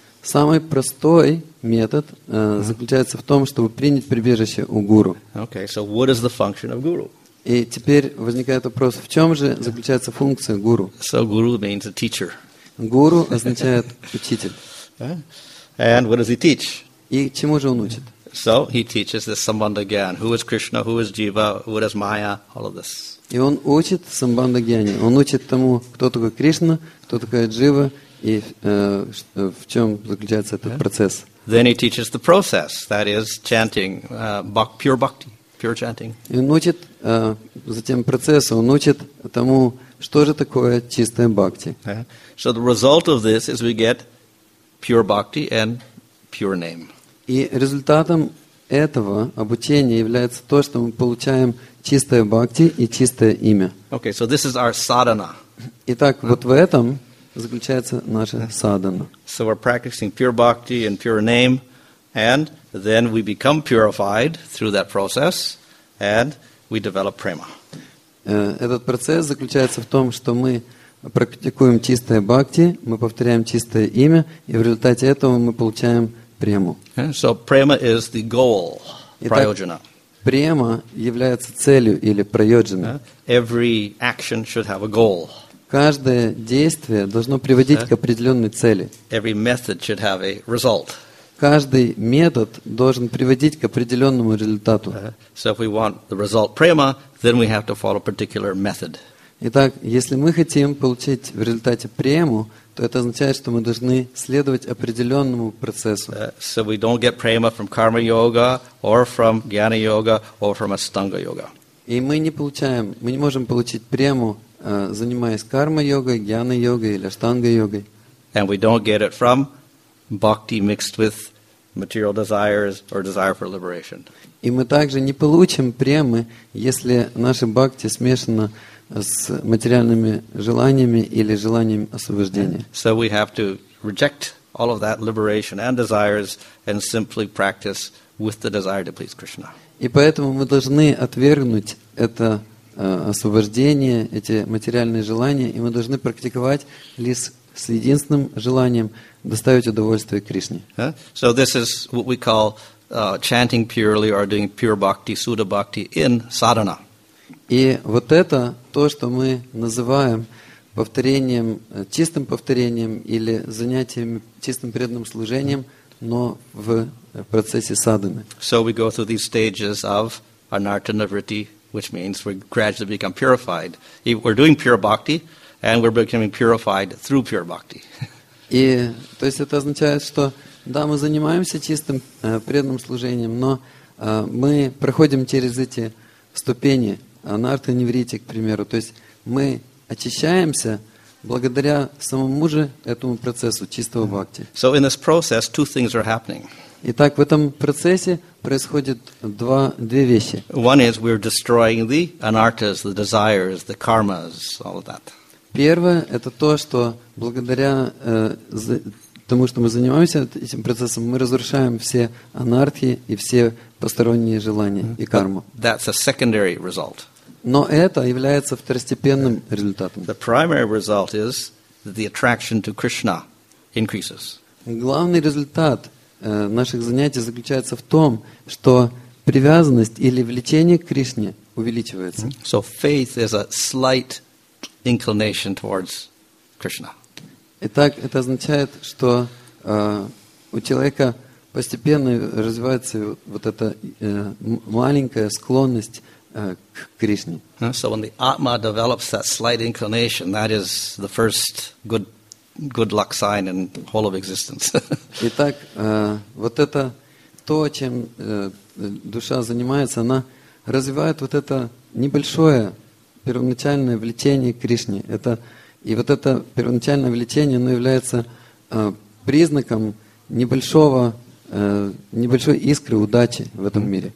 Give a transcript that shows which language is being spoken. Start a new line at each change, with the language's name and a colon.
Russian: Самый простой метод заключается в том, чтобы принять прибежище у гуру.
English: Okay, so what is the function of guru?
Russian: И теперь возникает вопрос, в чем же заключается функция гуру?
English: So guru means a teacher.
Russian: Гуру означает учитель.
English: And what does he teach?
Russian: И чему же он учит?
English: So he teaches this Sambandhagyan. Who is Krishna? Who is Jiva? Who is Maya? All of this.
Russian: И он учит Самбандхагьяне. Он учит тому, кто такой Кришна, кто такая Джива, и в чем заключается этот процесс.
English: Then he teaches the process, that is chanting, pure bhakti, pure chanting.
Russian: И он учит затем процессу, он учит тому, что же такое чистая бхакти.
English: So the result of this is we get pure bhakti and pure name.
Russian: И результатом этого обучения является то, что мы получаем чистое бхакти и чистое имя.
English: Okay, so this is our sadhana.
Russian: Итак, вот в этом заключается наша садхана.
English: So we're practicing pure bhakti and pure name, and then we become purified through that process, and we develop prema.
Russian: Этот процесс заключается в том, что мы практикуем чистое бхакти, мы повторяем чистое имя, и в результате этого мы получаем прему.
English: Okay, so prema is the goal, prayojana.
Russian: Према является целью или прайоджана.
English: Every action should have a goal.
Russian: Каждое действие должно приводить к определенной цели.
English: Every method should have a result.
Russian: Каждый метод должен приводить к определенному результату.
English: So if we want the result prema, then we have to follow a particular method.
Russian: Итак, если мы хотим получить в результате прему, то это означает, что мы должны следовать определенному процессу.
English: So we don't get prema from karma yoga or from jnana yoga or from astanga yoga.
Russian: И мы не можем получить прему, занимаясь карма йогой, джнана йогой или астанга йогой.
English: And we don't get it from bhakti mixed with material desires or desire for liberation.
Russian: И мы также не получим премы, если наши бхакти смешаны с материальными желаниями или желанием освобождения.
English: So we have to reject all of that liberation and desires and simply practice with the desire to please Krishna.
Russian: И поэтому мы должны отвергнуть это освобождение, эти материальные желания, и мы должны практиковать лишь с единственным желанием доставить удовольствие Кришне.
English: So this is what we call chanting purely or doing pure bhakti, sudha bhakti in sadhana.
Russian: И вот это то, что мы называем повторением, чистым повторением или занятием чистым преданным служением, но в процессе садханы.
English: So we go through these stages of anartha nivritti, which means we gradually become purified. We're doing pure bhakti, and we're becoming purified through pure bhakti.
Russian: И то есть это означает, что да, мы занимаемся чистым преданным служением, но мы проходим через эти ступени анартха нивритти, к примеру. То есть мы очищаемся благодаря самому же этому процессу чистого бхакти.
English: So in this process, two things are happening.
Russian: Итак, в этом процессе происходят две вещи.
English: One is we're destroying the anarthas, the desires, the karmas, all of that.
Russian: Первое – это то, что благодаря тому, что мы занимаемся этим процессом, мы разрушаем все анартхи и все посторонние желания и карму.
English: But that's a secondary result.
Russian: Но это является второстепенным результатом.
English: The primary result is that the attraction to Krishna increases.
Russian: Главный результат наших занятий заключается в том, что привязанность или влечение к Кришне увеличивается.
English: So faith is a slight inclination towards Krishna.
Russian: Итак, это означает, что у человека постепенно развивается вот эта маленькая склонность к Кришне.
English: So when the Atma develops that slight inclination, that is the first good luck sign in whole of existence.
Russian: Итак, вот это то, чем душа занимается, она развивает вот это небольшое первоначальное влечение к Кришне. Это, и вот это первоначальное влечение, оно является признаком небольшой искры удачи в этом мире.